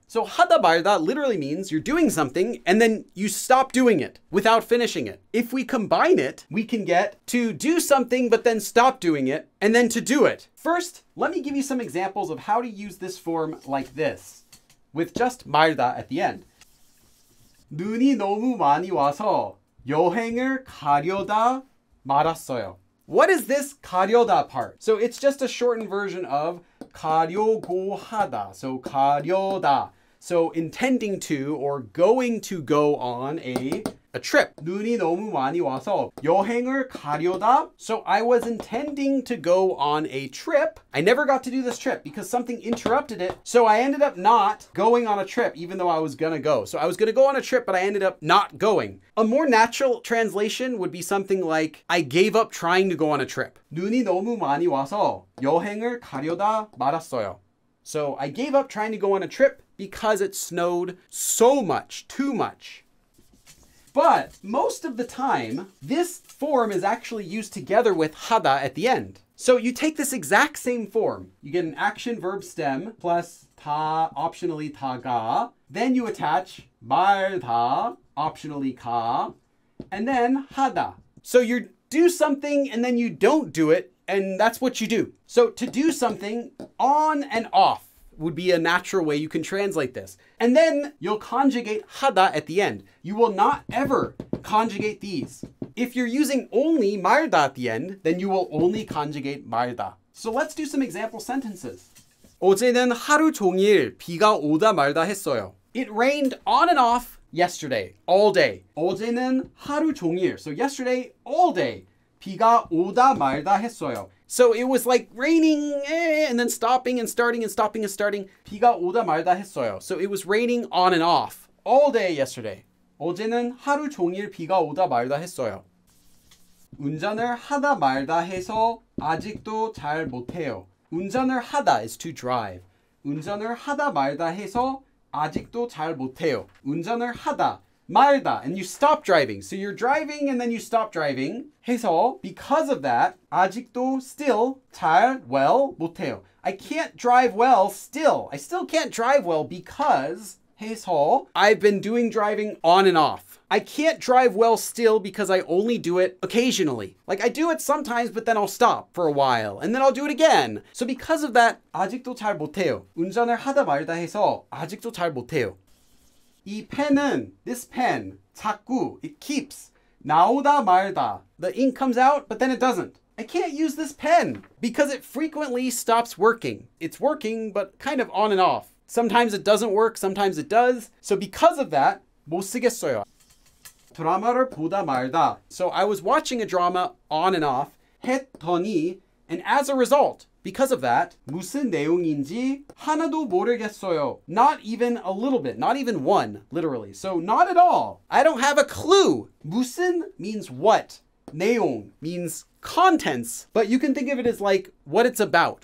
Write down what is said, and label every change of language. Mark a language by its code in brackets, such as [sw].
[en] So hada marda literally means you're doing something and then you stop doing it without finishing it. If we combine it, we can get to do something but then stop doing it and then to do it. First, let me give you some examples of how to use this form like this with just marda at the end. [ko] 눈이 너무 많이 와서 여행을 가려다 말았어요. [en] What is this 가려다 part? So it's just a shortened version of [ko] 가려고 하다. [en] So 가려다. So intending to or going to go on a trip. [ko] 눈이 너무 많이 와서 여행을 가려다. [en] So I was intending to go on a trip. I never got to do this trip because something interrupted it. So I ended up not going on a trip even though I was gonna go. So I was gonna go on a trip, but I ended up not going. A more natural translation would be something like, I gave up trying to go on a trip. [ko] 눈이 너무 많이 와서 여행을 가려다 말았어요. [en] So I gave up trying to go on a trip because it snowed so much, too much. But most of the time, this form is actually used together with hada at the end. So you take this exact same form. You get an action verb stem plus ta, optionally ta ga. Then you attach marda, optionally ka, and then hada. So you do something and then you don't do it, and that's what you do. So to do something on and off would be a natural way you can translate this. And then you'll conjugate hada at the end. You will not ever conjugate these. If you're using only marda at the end, then you will only conjugate marda. So let's do some example sentences. [ko] 어제는 하루 종일 비가 오다 말다 했어요. [en] It rained on and off yesterday, all day. [ko] 어제는 하루 종일, [en] so yesterday, all day, [ko] 비가 오다 말다 했어요. [en] So it was like raining and then stopping and starting and stopping and starting. [ko] 비가 오다 말다 했어요. [en] So it was raining on and off all day yesterday. [ko] 어제는 하루 종일 비가 오다 말다 했어요. 운전을 하다 말다 해서 아직도 잘 못해요. 운전을 하다 [en] is to drive. [ko] 운전을 하다 말다 해서 아직도 잘 못해요. 운전을 하다 말다, [en] and you stop driving. So you're driving and then you stop driving. [ko] 해서, [en] because of that, [ko] 아직도 [en] still 잘 well [ko] 못해요. [en] I can't drive well still. I still can't drive well because [ko] 해서 [en] I've been doing driving on and off. I can't drive well still because I only do it occasionally. Like I do it sometimes, but then I'll stop for a while and then I'll do it again. So because of that, [ko] 아직도 잘 못해요. 운전을 하다 말다 해서 아직도 잘 못해요. 이 펜은, [en] this pen, [ko] 자꾸, [en] it keeps, [ko] 나오다 말다. [en] The ink comes out, but then it doesn't. I can't use this pen because it frequently stops working. It's working, but kind of on and off. Sometimes it doesn't work, sometimes it does. So because of that, [ko] 못 쓰겠어요. 드라마를 보다 말다. [en] So I was watching a drama on and off. [ko] 했더니, [en] and as a result, because of that, [ko] 무슨 내용인지 하나도 모르겠어요. [en] Not even a little bit, not even one, literally. So not at all. I don't have a clue. 무슨 means what. 내용 means contents. But you can think of it as like what it's about.